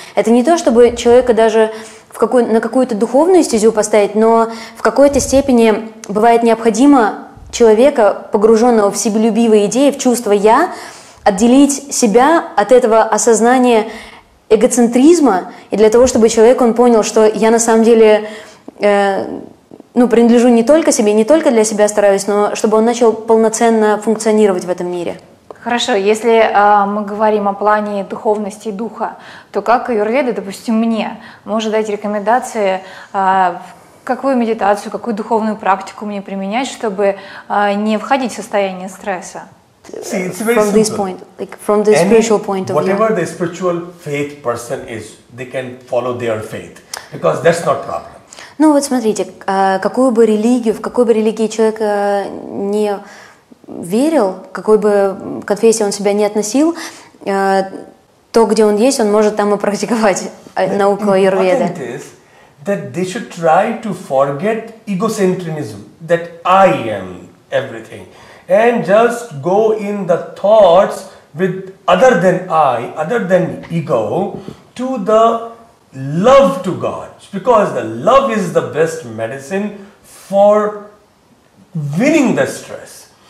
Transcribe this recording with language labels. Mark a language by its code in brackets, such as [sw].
[ru] Это не то, чтобы человека даже на какую-то духовную стезю поставить, но в какой-то степени бывает необходимо человека, погруженного в себелюбивые идеи, в чувство «я», отделить себя от этого осознания эгоцентризма, и для того, чтобы человек он понял, что я на самом деле принадлежу не только себе, не только для себя стараюсь, но чтобы он начал полноценно функционировать в этом мире. Хорошо, если мы говорим о плане духовности духа, то как аюрведа, допустим, мне может дать рекомендации, какую медитацию, какую духовную практику мне применять, чтобы не входить в состояние стресса? [en] See, it's very from simple. This point, like from the spiritual point of whatever view. Whatever the spiritual faith person is, they can follow their faith, because that's not problem. [ru] Ну вот смотрите, какую бы религию, в какой бы религии человек не верил, какой бы конфессии он себя не относил, то, где он есть, он может там и практиковать науку аюрведы. [en] The point is that they should try to forget egocentrism, that I am everything, and just go in the thoughts with other than I, other than ego, to the love to God, because the love is the best medicine for winning the stress.